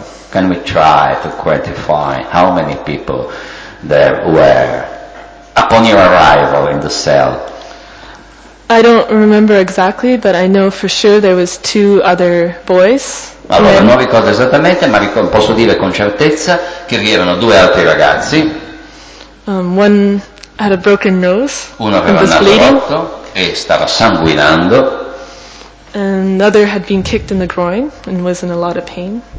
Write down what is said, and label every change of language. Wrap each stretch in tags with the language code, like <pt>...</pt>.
<en>Can we try to quantify how many people there were? Upon your arrival in the cell, I don't remember exactly, but I know for sure there was two other boys.</en> <it>Allora, non ricordo esattamente, ma posso dire con certezza che vi erano due altri ragazzi.</it> <en>One had a broken nose.</en> <it>Uno aveva un naso rotto e stava sanguinando.</it> <en>And another had been kicked in the groin and was in a lot of pain.</en>